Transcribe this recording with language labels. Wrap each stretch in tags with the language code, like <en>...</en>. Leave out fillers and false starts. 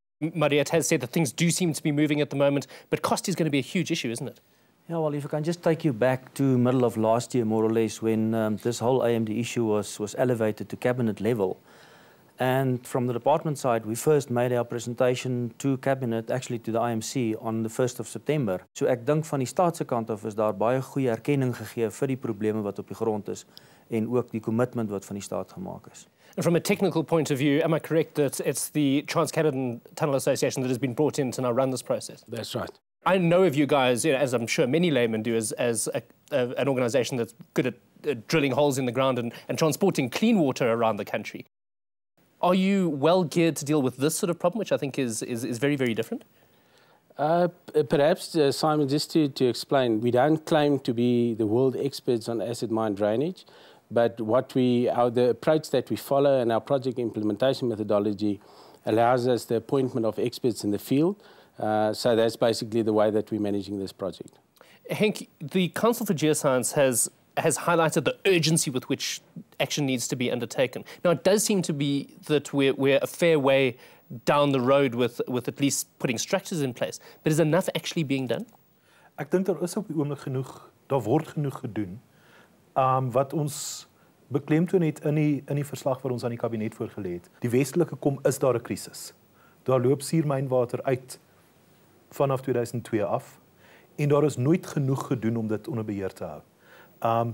<en>Mariette has said that things do seem to be moving at the moment, but cost is going to be a huge issue, isn't it? Yeah, well, if I can just take you back to middle of last year, more or less, when this whole AMD issue was elevated to cabinet level. And from the department side, we first made our presentation to cabinet, actually to the IMC, on the 1st of September.</en> <af>So ek dink van die staatse kant af is daar baie goeie erkenning gegee vir die probleme wat op die grond is en ook die commitment wat van die staat gemaak is.</af> <en>And from a technical point of view, am I correct that it's the Trans-Caledon Tunnel Association that has been brought in to now run this process? That's right. I know of you guys, you know, as I'm sure many laymen do, as an organization that's good at drilling holes in the ground and transporting clean water around the country. Are you well geared to deal with this sort of problem, which I think is very, very different? Perhaps, Simon, just to explain, we don't claim to be the world experts on acid mine drainage, but the approach that we follow and our project implementation methodology allows us the appointment of experts in the field. So that's basically the way that we're managing this project. Henk, the Council for Geoscience has highlighted the urgency with which action needs to be undertaken. Now, it does seem to be that we're a fair way down the road with at least putting structures in place, but is enough actually being done?</en> <af>Ek dink daar is op die oomblik genoeg, daar word genoeg gedoen, wat ons beklemtoon het in die verslag wat ons aan die kabinet voorgelê het. Die westelike kom, is daar 'n krisis. Daar loop suurmynwater uit vanaf 2002 af en daar is nooit genoeg gedoen om dit onder beheer te hou.</af>